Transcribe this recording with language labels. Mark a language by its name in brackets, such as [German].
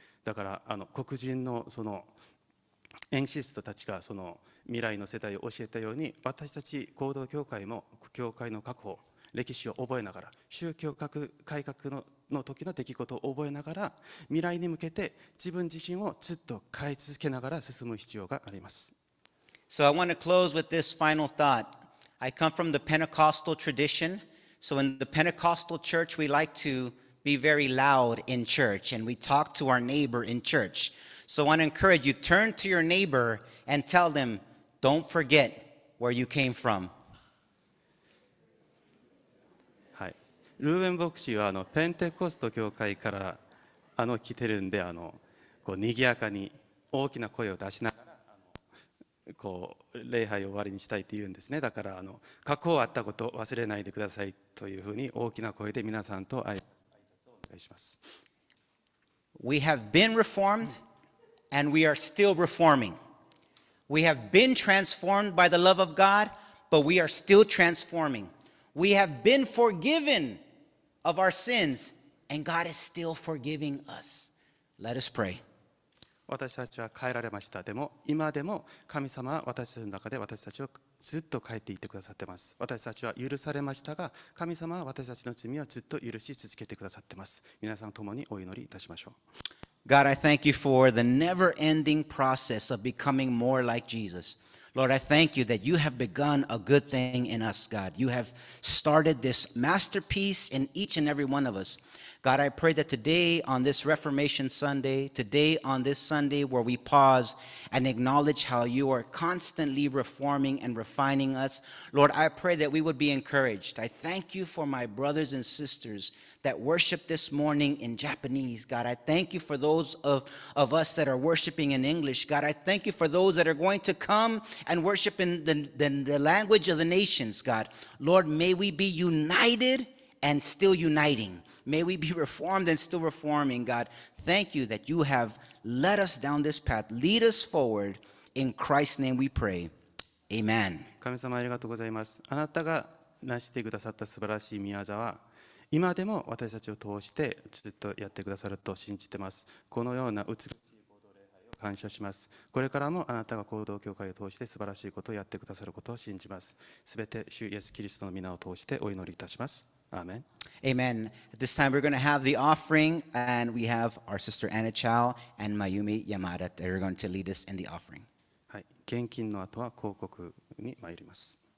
[Japanese] だから黒人のそのエンシストたちがその未来の世代を教えたように、私たち行動教会も教会の過去を、歴史を覚えながら、宗教革改革 の時の出来事を覚えながら、未来に向けて自分自身をずっと変え続けながら進む必要があります。 [English] So I want to close with this final thought. I come from the Pentecostal tradition. So in the Pentecostal church, we like to be very loud in church and we talk to our neighbor in church. So I want to encourage you, turn to your neighbor and tell them, don't forget where you came from. [Japanese] ルーベン牧師はペンテコスト教会から来てるんで、こう賑やかに大きな声を出しながら、こう礼拝を終わりにしたいって言うんですね。だから過去あったこと忘れないでくださいというふうに大きな声で皆さんと挨拶をお願いします。 [English] We have been reformed and we are still reforming. We have been transformed by the love of God, but we are still transforming. We have been forgiven of our sins, and God is still forgiving us. Let us pray. [Japanese] 私たちは変えられました。でも今でも神様は私たちの中で私たちをずっと変えていてくださってます。私たちは許されましたが、神様は私たちの罪をずっと許し続けてくださってます。皆さん共にお祈りいたしましょう。 [English] God, I thank you for the never-ending process of becoming more like Jesus. Lord, I thank you that you have begun a good thing in us, God. You have started this masterpiece in each and every one of us. God, I pray that today on this Reformation Sunday, today on this Sunday where we pause and acknowledge how you are constantly reforming and refining us, Lord, I pray that we would be encouraged. I thank you for my brothers and sisters that worship this morning in Japanese. God, I thank you for those of us that are worshiping in English. God, I thank you for those that are going to come and worship in the language of the nations, God. Lord, may we be united and still uniting. May we be reformed and still reforming, God. Thank you that you have led us down this path. Lead us forward. In Christ's name we pray. Amen. [Japanese] 神様ありがとうございます。あなたが成してくださった素晴らしい御業は、今でも私たちを通してずっとやってくださると信じています。このような美しい合同礼拝を感謝します。これからもあなたが合同教会を通して素晴らしいことをやってくださることを信じます。すべて主イエスキリストの御名を通してお祈りいたします。 [English] Amen. Amen. At this time, we're going to have the offering, and we have our sister Anna Chow and Mayumi Yamada. They're going to lead us in the offering. [Japanese] はい、献金の後は広告に参ります。